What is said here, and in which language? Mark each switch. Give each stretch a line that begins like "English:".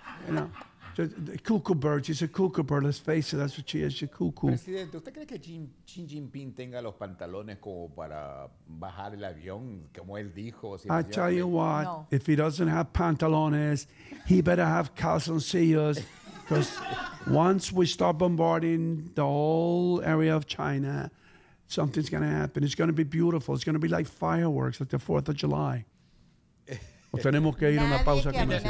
English: You know, the cuckoo bird, she's a cuckoo bird. Let's face it, that's what she is, she's a cuckoo.
Spanish: Presidente, ¿usted cree que Xi Jinping tenga los pantalones como para bajar el avión, como él dijo?
English: Si I tell you what, no. If he doesn't have pantalones... He better have calzoncillos, because once we start bombarding the whole area of China, something's going to happen. It's going to be beautiful. It's going to be like fireworks, like the 4th of July.
Spanish: Tenemos que ir a una pausa comercial.